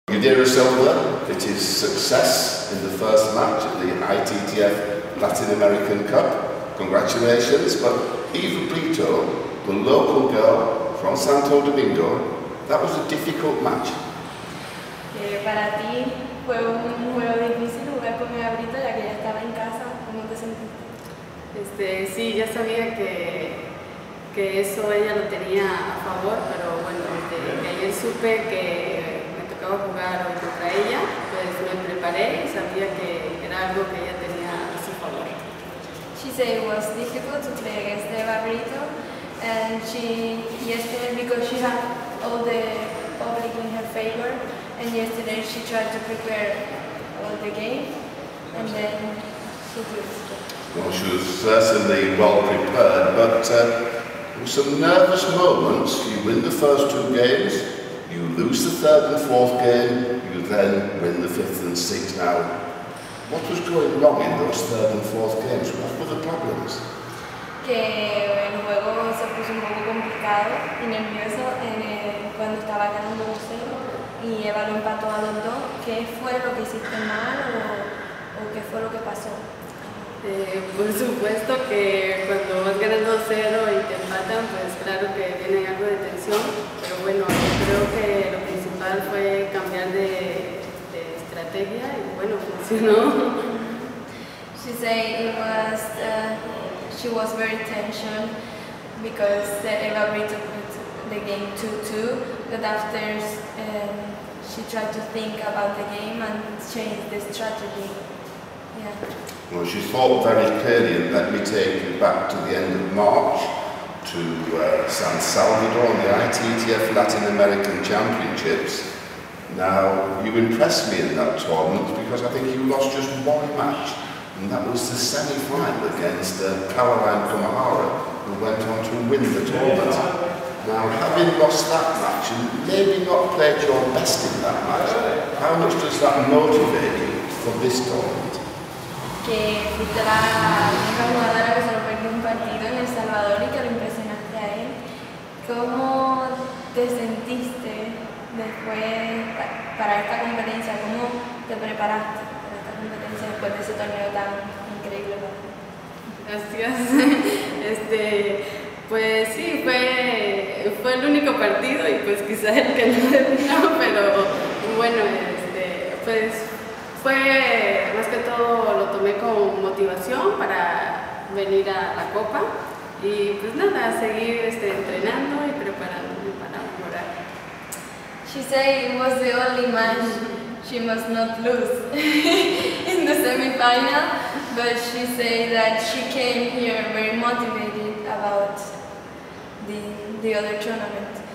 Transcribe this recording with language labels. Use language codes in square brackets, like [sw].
[en] Yadira Silva, it is success in the first match at the ITTF Latin American Cup. Congratulations, but even Brito, the local girl from Santo Domingo, that was a difficult match. [es] Para ti fue un juego difícil jugar con mi abrita, ya que ya estaba en casa. ¿Cómo te sentiste? Sí, ya sabía que eso ella lo tenía a favor, pero bueno, desde ayer supe que me tocaba jugar contra ella, pues me preparé y sabía que era algo que ella tenía a su favor. [en] She said it was difficult to play against the abrita, and she yesterday because she had all the public in her favor. And yesterday she tried to prepare all the game, and then she did. Well, she was certainly well prepared, but there were some nervous moments. You win the first two games, you lose the third and fourth game, you then win the fifth and sixth. Now, what was going wrong in those third and fourth games? What were the problems? [es] Que el juego se puso un poco complicado y nervioso cuando estaba ganando 2-0. Y Eva lo empató a los dos. ¿Qué fue lo que hiciste mal o qué fue lo que pasó? Por supuesto que cuando vas ganando 2-0 y te empatan, pues claro que viene algo de tensión. Pero bueno, yo creo que lo principal fue cambiar de estrategia y bueno, funcionó. [en] She said it was she was very tension because Eva Brito put the game 2-2. But after she tried to think about the game and change the strategy. Yeah. Well, she thought very clearly and let me take you back to the end of March to San Salvador on the ITTF Latin American Championships. Now, you impressed me in that tournament because I think you lost just one match, and that was the semi-final against Caroline Kumahara, who went on to win the tournament. Now, having lost that match and maybe not played your best in that match, how much does that motivate you for this tournament? [es] Que fuiste la única jugadora que solo perdió un partido en El Salvador y que lo impresionaste a él. ¿Cómo te sentiste después para esta competencia? ¿Cómo te preparaste para esta competencia después de ese torneo tan increíble? Gracias. Pues sí, fue el único partido y pues quizá el que no, pero bueno, pues fue más que todo lo tomé con motivación para venir a la Copa y pues nada, seguir entrenando y preparándome para mejorar. [en] She said it was the only match she must not lose in the semifinal, but she said that she came here very motivated about the other tournament.